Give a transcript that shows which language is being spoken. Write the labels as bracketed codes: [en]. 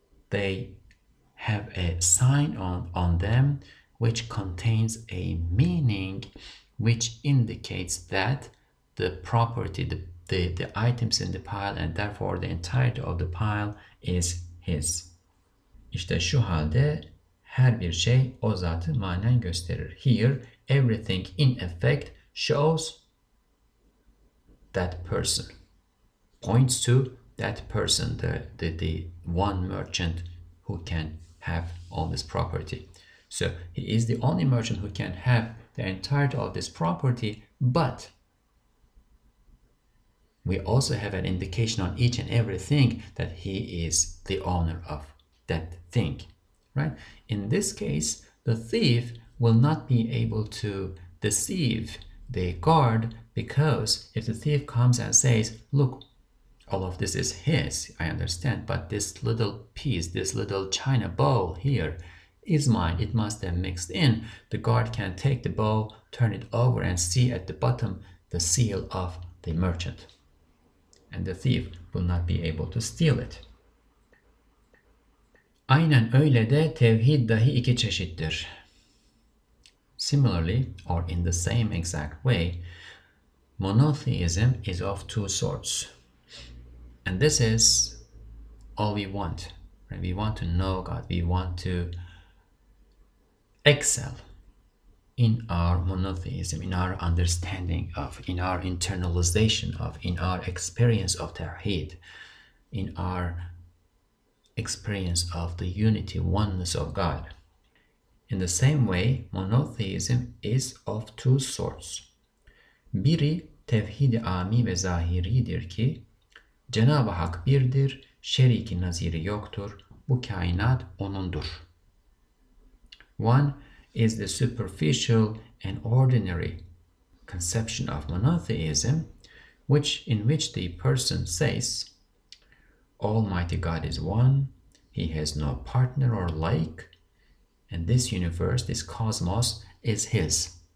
[en] They have a sign on them which contains a meaning which indicates that the property, the items in the pile, and therefore the entirety of the pile is his. [tr] İşte şu halde her bir şey o zatı manen gösterir. [en] Here, everything in effect shows that person, points to that person, the one merchant who can have all this property. So he is the only merchant who can have the entirety of this property, but we also have an indication on each and everything that he is the owner of that thing, right? In this case, the thief will not be able to deceive the guard, because if the thief comes and says, "Look, all of this is his, I understand, but this little piece, this little china bowl here is mine, it must have mixed in," the guard can take the bowl, turn it over, and see at the bottom the seal of the merchant. And the thief will not be able to steal it. [tr] Aynen öyle de tevhid dahi iki çeşittir. [en] Similarly, or in the same exact way, monotheism is of two sorts. And this is all we want, right? We want to know God. We want to excel in our monotheism, in our understanding of, in our internalization of, in our experience of Tawhid, in our experience of the unity, oneness of God. In the same way, monotheism is of two sorts. [tr] Biri tevhid-i âmi ve zahiridir ki, Cenab-ı Hak birdir, şeriki naziri yoktur, bu kainat onundur. [en] One is the superficial and ordinary conception of monotheism, in which the person says, Almighty God is one, he has no partner or like, and this universe, this cosmos, is his.